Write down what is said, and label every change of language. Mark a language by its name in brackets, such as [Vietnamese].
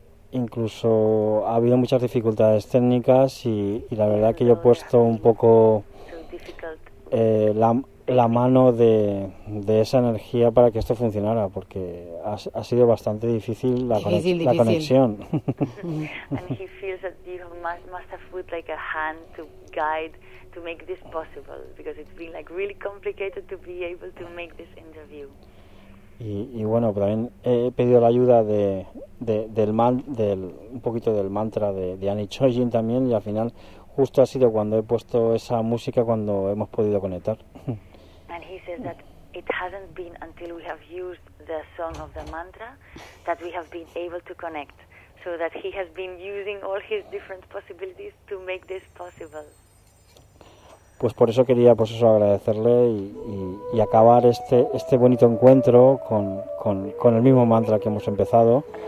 [Spanish] Incluso ha habido muchas dificultades técnicas y la verdad que yo he puesto un poco la mano de esa energía para que esto funcionara, porque ha sido bastante difícil la conexión. [English] And he feels that you must have put like a hand to guide to make this possible, because it's been like really complicated to be able to make this interview. [Spanish] Y bueno, también he pedido la ayuda un poquito del mantra de Annie Chojin también, y al final justo ha sido cuando he puesto esa música cuando hemos podido conectar. [English] And he says that it hasn't been until we have used the song of the mantra that we have been able to connect, so that he has been using all his different possibilities to make this possible. [Spanish] Pues por eso quería, pues eso, agradecerle y acabar este bonito encuentro con el mismo mantra que hemos empezado.